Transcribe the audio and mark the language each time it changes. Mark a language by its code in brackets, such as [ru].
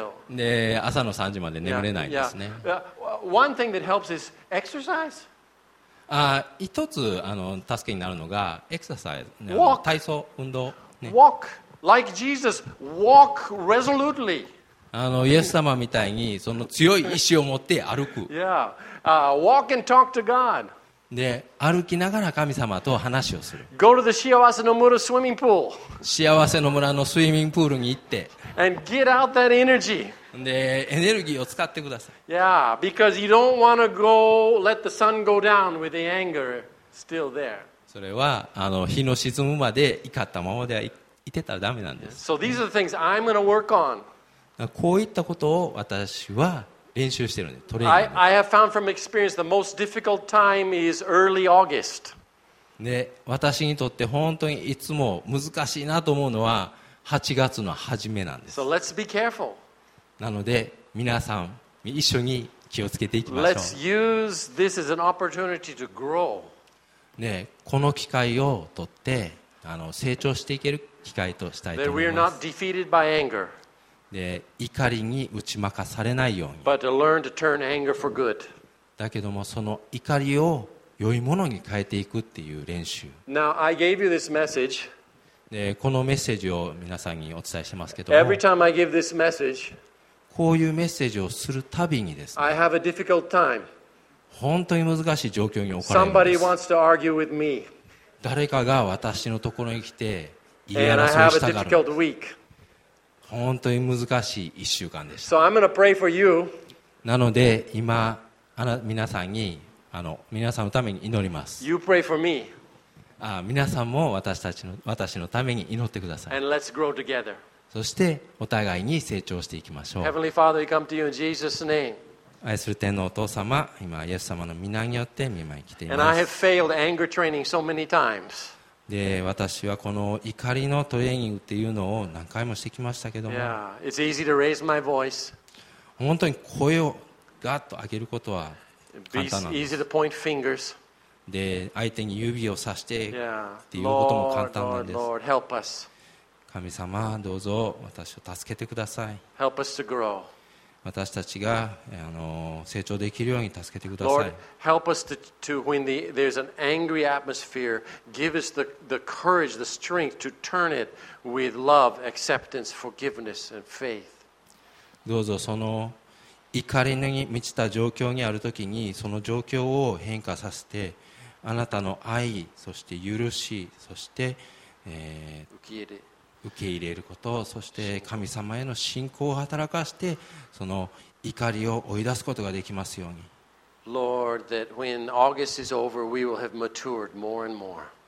[ja] で朝の3時まで眠れないんですね。 [en] One thing that helps is exercise. [ja] 一つ助けになるのがエクササイズ、 [en] walk. [ja] 体操、運動、ね、 [en] walk like Jesus, walk resolutely. [ja] イエス様みたいにその強い意志を持って歩く。 [en] Yeah. Walk and talk to God. [ja] で歩きながら神様と話をする。 [en] Go to the 幸せの村 swimming pool. [ja] 幸せの村のスイミングプールに行って、 [en] and get out that energy. [ja] でエネルギーを使ってください。 [en] Yeah, because you don't want to go let the sun go down with the anger still there. [ja] それは日の沈むまで怒ったままでいてたらダメなんです。 [en] So these are the things I'm going to work on. [ja] こういったことを私は練習してるんです。トレーニング。 [en] I have found from experience the most difficult time is early August. [ja] で、私にとって本当にいつも難しいなと思うのは8月の初めなんです。 [en] So let's be careful. [ja] なので皆さん一緒に気をつけていきましょう。 [en] Let's use this as an opportunity to grow. [ja] で、この機会を取って成長していける機会としたいと思います。 [en] That we are not defeated by anger. [ja] で怒りに打ち負かされないように。 [en] But to learn to turn anger for good. [ja] だけどもその怒りを良いものに変えていくっていう練習。 [en] Now I gave you this message. [ja] でこのメッセージを皆さんにお伝えしてますけども [en] 。 Every time I give this message. [ja] こういうメッセージをするたびにですね。 [en] I have a difficult time. [ja] 本当に難しい状況に置かれます。 [en] Somebody wants to argue with me. [ja] 誰かが私のところに来て言い争いしたがる。 [en] And I have a difficult week. [ja] 本当に難しい1週間でした。 [en] So I'm gonna pray for you. [ja] なので今皆さんに皆さんのために祈ります。 [en] You pray for me. [ja] 皆さんも私のために祈ってください。 [en] And let's grow together. [ja] そしてお互いに成長していきましょう。 [en] Heavenly Father, we come to you in Jesus' name. [ja] 愛する天のお父様、今イエス様の御名によって御前に来ています。 [en] And I have failed anger training so many times. [ja] で私はこの怒りのトレーニングっていうのを何回もしてきましたけども、 [en] yeah, it's easy to raise my voice. [ja] 本当に声をガッと上げることは簡単なんです。 [en] Easy to point fingers. [ja] で相手に指を指してっていうことも簡単なんです。 [en] Lord, help us. [ja] 神様どうぞ私を助けてください。 [en] Help us to grow. [ja] 私たちが成長できるように助けてください。 [en] Lord, help us to when there's an angry atmosphere, give us the courage, the strength to turn it with love, acceptance, forgiveness, and faith. [ja] どうぞその怒りに満ちた状況にあるときにその状況を変化させて、あなたの愛、そして許し、そして、受け入れること、そして神様への信仰を働かせてその怒りを追い出すことができますように。 [en] Lord, that when August is over, we will have matured more and more.